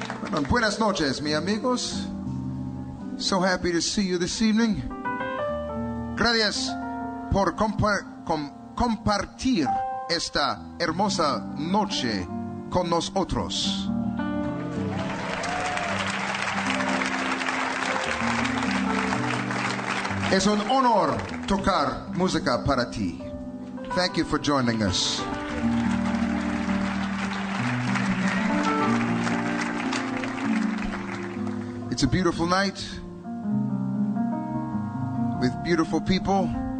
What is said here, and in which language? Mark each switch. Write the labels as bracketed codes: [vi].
[es] Bueno, buenas noches, mi amigos. [en] So happy to see you this evening. [es] Gracias por compartir esta hermosa noche con nosotros. Es un honor tocar música para ti. [en] Thank you for joining us. It's a beautiful night with beautiful people.